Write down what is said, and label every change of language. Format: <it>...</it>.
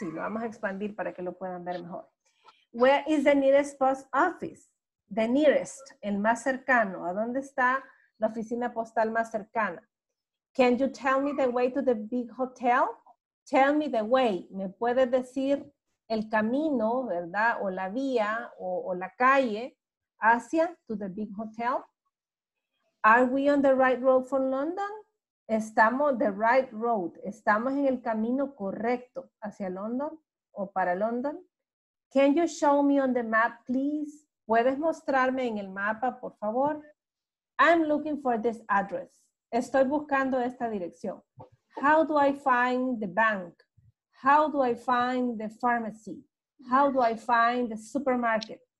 <es>Sí, lo vamos a expandir para que lo puedan ver mejor.</es> <en>Where is the nearest post office? The nearest,</en> <es>el más cercano. ¿A dónde está la oficina postal más cercana?</es> <en>Can you tell me the way to the big hotel? Tell me the way.</en> <es>¿Me puedes decir el camino, verdad? O la vía o la calle hacia</es> <en>to the big hotel. Are we on the right road for London?</en> <es>Estamos</es> <en>the right road.</en> <es>Estamos en el camino correcto hacia London o para London.</es> <en>Can you show me on the map, please?</en> <es>¿Puedes mostrarme en el mapa, por favor?</es> <en>I'm looking for this address.</en> <es>Estoy buscando esta dirección.</es> <en>How do I find the bank? How do I find the pharmacy? How do I find the supermarket?</en>